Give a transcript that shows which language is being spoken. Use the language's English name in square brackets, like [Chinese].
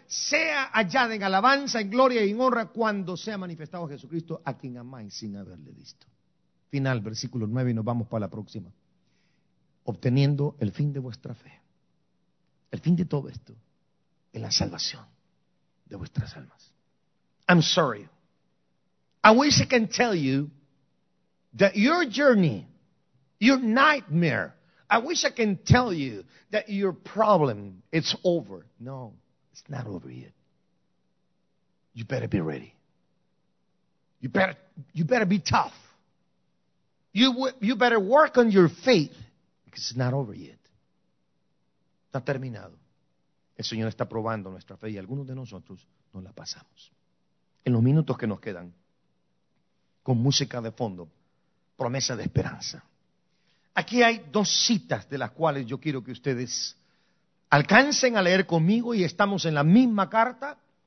[Spanish] Sea hallada en alabanza, en gloria y en honra cuando sea manifestado Jesucristo, a quien amáis sin haberle visto. Final, versículo 9, y nos vamos para la próxima. Obteniendo el fin de vuestra fe. El fin de todo esto es la salvación de vuestras almas. [English] I'm sorry. I wish I can tell you that your journey, your nightmare, I wish I can tell you that your problem, it's over. No, it's not over yet. You better be ready. You better be tough. You better work on your faith, because it's not over yet. [Spanish] Está terminado. El Señor está probando nuestra fe y algunos de nosotros no la pasamos. En los minutos que nos quedan, con música de fondo, promesa de esperanza. Aquí hay 2 citas de las cuales yo quiero que ustedes alcancen a leer conmigo, y estamos en la misma carta.